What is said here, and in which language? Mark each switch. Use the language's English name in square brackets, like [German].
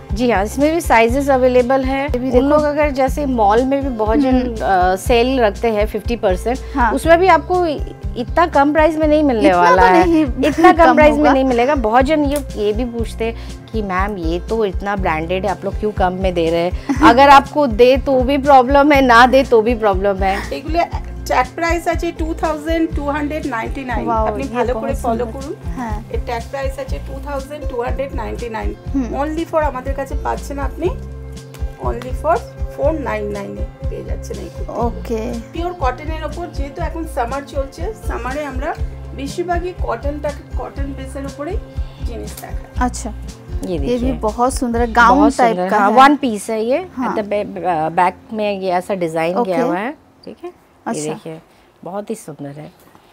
[Hindi] जी हाँ इसमें भी साइजेस अवेलेबल है। उन लोग अगर जैसे मॉल में भी बहुत जन सेल रखते हैं 50% उसमें भी आपको इतना कम प्राइस में नहीं मिलने वाला है, इतना कम प्राइस में नहीं मिलेगा। बहुत जन ये भी पूछते कि मैम ये तो इतना ब्रांडेड है आप लोग क्यों कम में दे रहे हैं, अगर आपको दे तो भी प्रॉब्लम है, ना दे तो भी प्रॉब्लम है। [Bangla] ট্যাগ প্রাইস আছে 2299, আপনি ভালো করে ফলো করুন। হ্যাঁ এই ট্যাগ প্রাইস আছে 2299, অনলি ফর আমাদের কাছে পাচ্ছেন আপনি অনলি ফর 499 পেয়ে যাচ্ছেন এই কুর্তি। ওকে পিওর কটনের উপর, যেহেতু এখন সামার চলছে সামারে আমরা বেশিরভাগই কটনটাকে কটন বেসের উপরেই জিনিস দেখাই। আচ্ছা [Hindi] ये भी बहुत सुंदर है, गाउन टाइप का है, वन पीस है ये, मतलब बैक में ये ऐसा डिजाइन किया हुआ है। ठीक है ये देखिए बहुत ही सुंदर है।